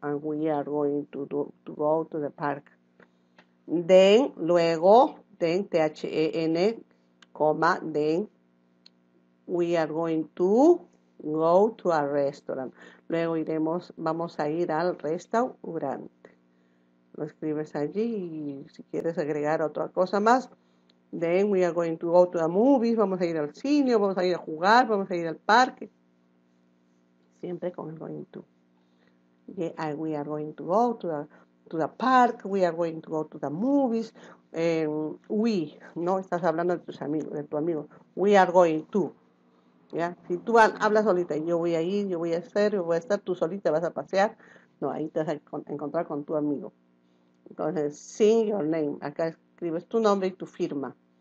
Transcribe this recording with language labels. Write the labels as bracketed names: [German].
[English] And we are going to go to the park. Then, luego, then, then, coma, then, we are going to go to a restaurant. [Spanish] Luego iremos, vamos a ir al restaurante. Lo escribes allí y si quieres agregar otra cosa más. [English] Then we are going to go to the movies, [Spanish] vamos a ir al cine, vamos a ir a jugar, vamos a ir al parque. Siempre con el going to. [English] Yeah, we are going to go to the park, we are going to go to the movies. [Spanish] We, no estás hablando de tus amigos, de tu amigo. [English] We are going to. Yeah. [Spanish] Si tú hablas solita, yo voy a ir, yo voy a hacer, yo voy a estar, tú solita vas a pasear. No, ahí te vas a encontrar con tu amigo. Entonces, [English] sing your name. [Spanish] Acá es. Escribes tu nombre y tu firma.